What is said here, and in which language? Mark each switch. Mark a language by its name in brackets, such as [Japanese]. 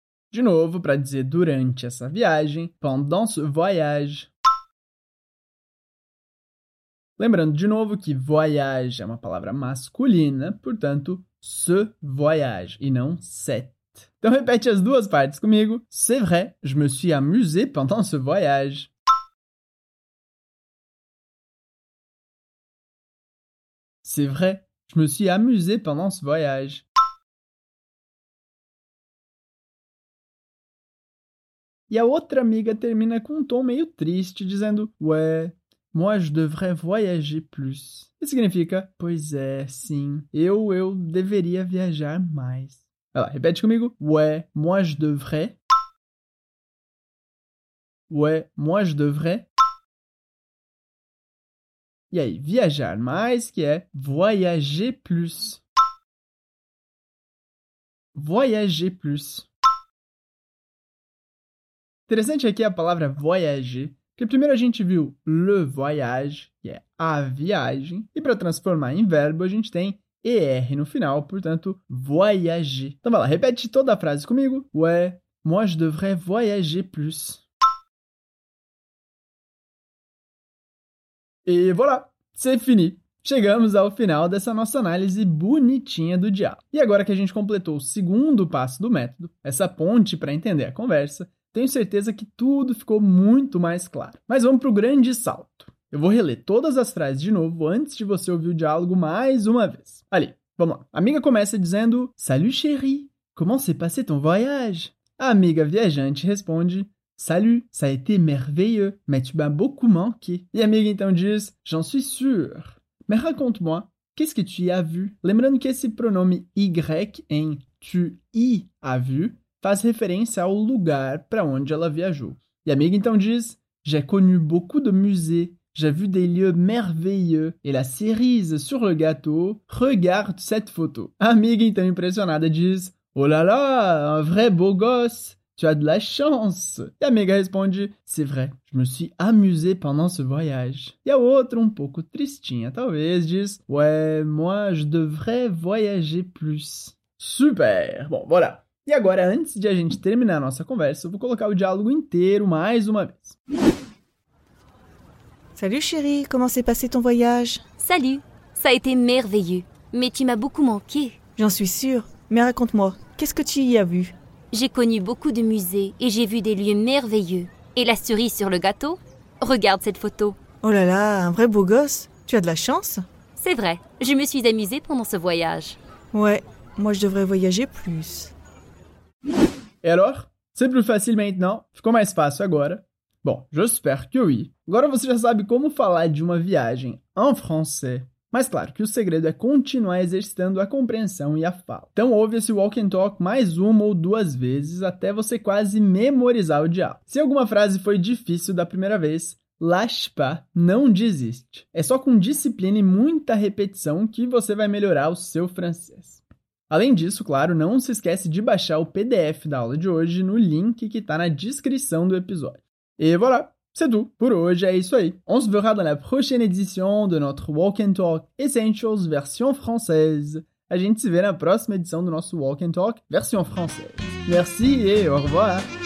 [Portuguese] De novo, para dizer durante essa viagem. [French] Pendant ce voyage. [Portuguese] Lembrando de novo que voyage é uma palavra masculina, portanto, ce voyage, e não cette. Então repete as duas partes comigo. [French] C'est vrai, je me suis amusé pendant ce voyage. C'est vrai, je me suis amusé pendant ce voyage. [Portuguese] E a outra amiga termina com um tom meio triste, dizendo [French] ouais, moi je devrais voyager plus. [Portuguese] Isso significa, pois é, sim, eu deveria viajar mais. Olha lá, repete comigo. [French] Ouais, moi je devrais. Ouais, moi je devrais. [Portuguese] E aí, viajar mais, que é [French] voyager plus. Voyager plus. [Portuguese] Interessante aqui a palavra voyager, porque primeiro a gente viu le voyage, que é a viagem, e para transformar em verbo a gente tem er no final, portanto, voyager. Então vai lá, repete toda a frase comigo. [French] Ouais, moi je devrais voyager plus. E voilà! C'est fini! [Portuguese] Chegamos ao final dessa nossa análise bonitinha do diálogo. E agora que a gente completou o segundo passo do método, essa ponte para entender a conversa, tenho certeza que tudo ficou muito mais claro. Mas vamos para o grande salto. Eu vou reler todas as frases de novo antes de você ouvir o diálogo mais uma vez. Ali, vamos lá. A amiga começa dizendo Salut chérie, comment s'est passé ton voyage? A amiga viajante responde [French] Salut, ça a été merveilleux, mais tu m'as beaucoup manqué. [Portuguese] E a amiga então diz, [French] j'en suis sûr. Mais raconte-moi, qu'est-ce que tu y as vu? [Portuguese] Lembrando que esse pronome Y em tu y as vu faz referência ao lugar para onde ela viajou. E a amiga então diz, [French] j'ai connu beaucoup de musées, j'ai vu des lieux merveilleux, et la cerise sur le gâteau, regarde cette photo. [Portuguese] A amiga então impressionada diz, [French] oh là là, un vrai beau gosse. Tu as de la chance. [Portuguese] E a amiga responde, [French] c'est vrai, je me suis amusé pendant ce voyage. [Portuguese] E a outra, um pouco tristinha, talvez, diz, [French] ouais, moi, je devrais voyager plus. [Portuguese] Super! Bom, voilà. E agora, antes de a gente terminar a nossa conversa, eu vou colocar o diálogo inteiro mais uma vez. [French] Salut, chérie, comment s'est passé ton voyage? Salut, ça a été merveilleux, mais tu m'as beaucoup manqué. J'en suis sûre, mais raconte-moi, qu'est-ce que tu y as vu? J'ai connu beaucoup de musées et j'ai vu des lieux merveilleux. Et la cerise sur le gâteau? Regarde cette photo. Oh là là, un vrai beau gosse. Tu as de la chance. C'est vrai, je me suis amusée pendant ce voyage. Ouais, moi je devrais voyager plus. Et alors? C'est plus facile maintenant? [Portuguese] Ficou mais fácil agora? [French] Bon, j'espère que oui. [Portuguese] Agora você já sabe como falar de uma viagem [French] en français. [Portuguese] Mas claro que o segredo é continuar exercitando a compreensão e a fala. Então ouve esse Walk and Talk mais uma ou duas vezes até você quase memorizar o diálogo. Se alguma frase foi difícil da primeira vez, [French] lâche pas, [Portuguese] não desiste. É só com disciplina e muita repetição que você vai melhorar o seu francês. Além disso, claro, não se esquece de baixar o PDF da aula de hoje no link que está na descrição do episódio. E voilà, [French] c'est tout pour [Portuguese] hoje, é isso aí. [French] On se verra dans la prochaine édition de notre Walk and Talk Essentials version française. [Portuguese] A gente se vê na próxima edição do nosso Walk and Talk version française. [French] Merci et au revoir.